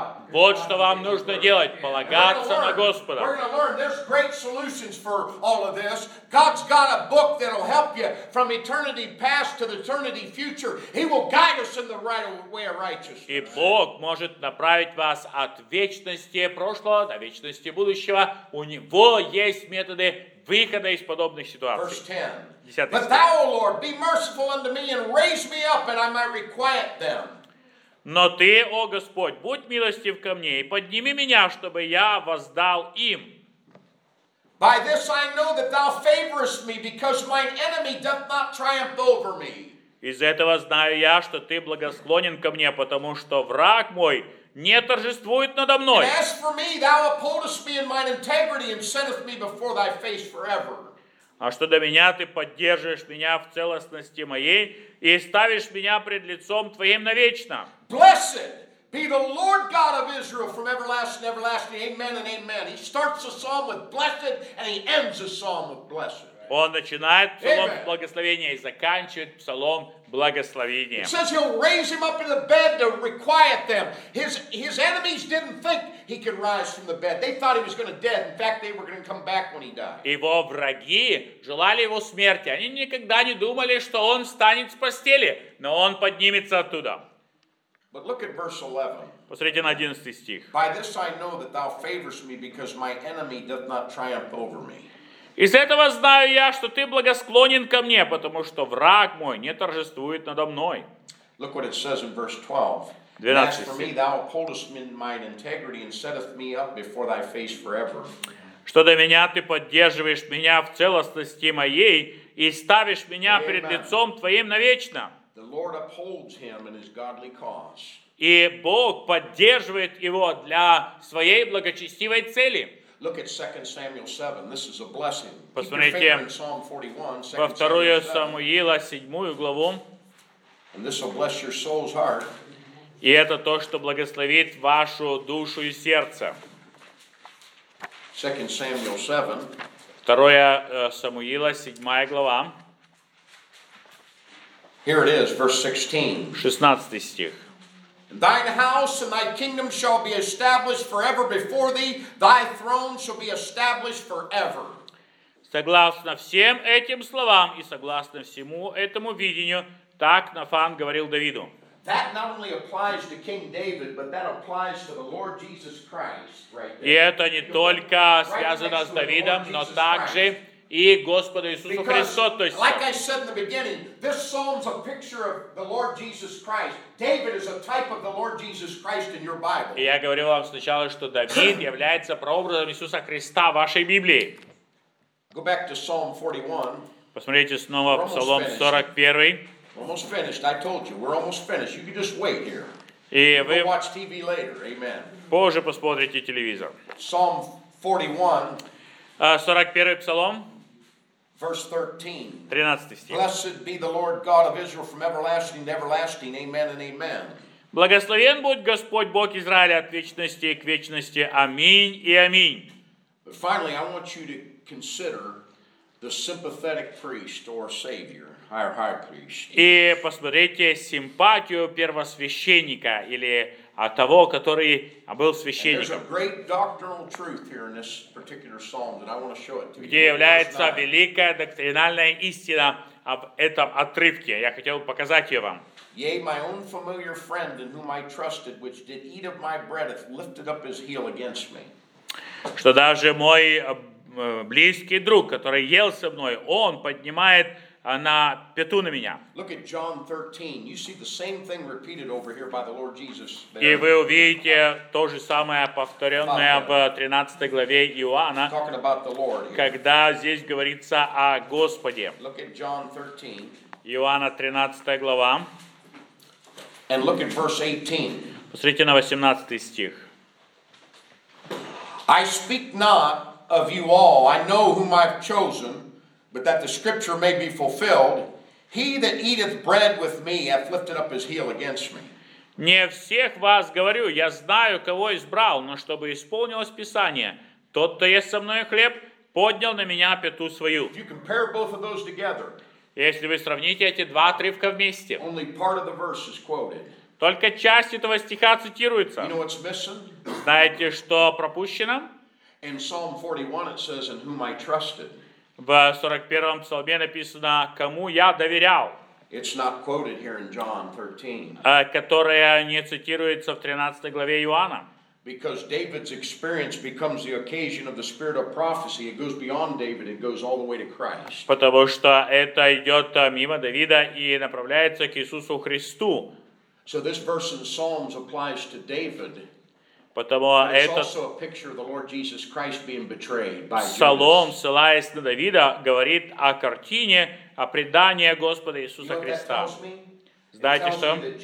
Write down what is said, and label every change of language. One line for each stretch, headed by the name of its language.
Russian: Вот что вам нужно делать, полагаться на Господа.
English: We're going to learn there's great solutions for all of this. God's got a book that will help you from eternity past to the eternity future. He will guide us in the right way of righteousness.
Russian: И Бог может направить вас от вечности прошлого до вечности будущего. У Него есть методы выхода из подобных ситуаций.
English: Verse 10. But thou, O Lord, be merciful unto me and raise me up, and I might requite them.
Russian: Но ты, о Господь, будь милостив ко мне и подними меня, чтобы я воздал им.
English: By this I know that thou favorest me, because mine enemy doth not triumph over me.
Russian: Из этого знаю я, что ты благосклонен ко мне, потому что враг мой не торжествует надо мной.
English: And as for me, thou upholdest me in mine integrity and settest me before thy face forever.
Russian: А что для меня ты поддерживаешь меня в целостности моей и ставишь меня пред лицом твоим навечно.
English: Blessed be the Lord God of Israel from everlasting to everlasting. Amen and amen. He starts the psalm with blessed and he ends the psalm with blessed.
Russian: Он начинает псалом благословения и заканчивает псалом благословения.
English: It says he'll raise him up in the bed to requiet them. His enemies didn't think he could rise from the bed. They thought he was going to dead. In fact, they were going to come back when he died.
Russian: Его враги желали его смерти. Они никогда не думали, что он встанет с постели, но он поднимется оттуда.
English: But look at verse 11.
Russian: Посмотрите на 11 стих.
English: By this I know that thou favorest me, because my enemy doth not triumph over me.
Russian: Из этого знаю я, что ты благосклонен ко мне, потому что враг мой не торжествует надо мной.
English: Look what it says in verse 12. 12. As for me, thou upholdest me in mine integrity and setteth me up before thy face forever.
Russian: Что до меня ты поддерживаешь меня в целостности моей и ставишь меня Amen. Пред лицом твоим навечно.
English: The Lord upholds him in his godly cause.
Russian: И Бог поддерживает его для своей благочестивой цели.
English: Look at 2 Samuel 7. This is a blessing.
Russian: Посмотрите во вторую Самуила, 7 главу.
English: And this will bless your soul's heart.
Russian: И это то, что благословит вашу душу и сердце.
English: 2 Samuel 7.
Russian: Вторая Самуила, 7 глава.
English: Here it is, verse 16.
Russian: 16 стих.
English: Thine house and thy kingdom shall be established forever before thee. Thy throne shall be established forever.
Russian: Согласно всем этим словам и согласно всему этому видению, так Нафан говорил Давиду.
English: That not only applies to King David, but that applies to the Lord Jesus Christ, right there.
Russian: И это не только связано с Давидом, но также и Господу Иисусу Христу, то есть.
English: Like I said in the beginning, this psalm's a picture of the Lord Jesus Christ. David is a type of the Lord Jesus Christ in your Bible.
Russian: Я говорил вам сначала, что Давид является прообразом Иисуса Христа в вашей Библии.
English: Go back to Psalm 41.
Russian: Посмотрите снова Псалом 41.
English: We're almost finished. I told you, we're almost finished. You can just wait here.
Russian: И вы
English: go watch TV later. Amen.
Russian: Позже посмотрите телевизор.
English: Psalm 41.
Russian: 41 Псалом,
English: verse
Russian: 13 стих.
English: Blessed be the Lord God of Israel from everlasting to everlasting. Amen and amen.
Russian: Благословен будет Господь Бог Израиля от вечности к вечности. Аминь и аминь.
English: Finally, I want you to consider the sympathetic priest or savior, our high priest.
Russian: И посмотрите симпатию первосвященника или а того, который был священником. Где является великая доктринальная истина об этом отрывке. Я хотел показать ее вам.
English: Yea, my own familiar friend, in whom I trusted, which did eat of my bread, hath lifted up his heel against me.
Russian: Что даже мой близкий друг, который ел со мной, он поднимает на пету на меня.
English: Look at John 13. You see the same thing repeated over here by the Lord Jesus.
Russian: И вы увидите то же самое повторенное в 13 главе Иоанна, когда здесь говорится о Господе.
English: Look at John 13.
Russian: Иоанна 13 глава.
English: And look at verse 18.
Russian: Посмотрите на 18 стих.
English: I speak not of you all. I know whom I've chosen. But that the scripture may be fulfilled, he that eateth bread with me hath lifted up his heel against me.
Russian: Не всех вас говорю, я знаю, кого избрал, но чтобы исполнилось Писание, тот, кто ест со мной хлеб, поднял на меня пету свою.
English: If you compare both of those together,
Russian: если вы сравните эти два отрывка вместе,
English: only part of the verse is quoted.
Russian: Только часть этого стиха цитируется.
English: You know what's missing?
Russian: Знаете, что пропущено?
English: In Psalm 41 it says, "In whom I trusted."
Russian: В 41-м псалме написано, кому я доверял, которая не цитируется в 13 главе Иоанна.
English: Because David's experience becomes the occasion of the spirit of prophecy. It goes beyond David. It goes all the way to Christ.
Russian: Потому что это идет мимо Давида и направляется к Иисусу Христу.
English: So this verse in Psalms applies to David.
Russian: Потому этот псалом, ссылаясь на Давида, говорит о картине, о предании Господа Иисуса Христа. Знаете что?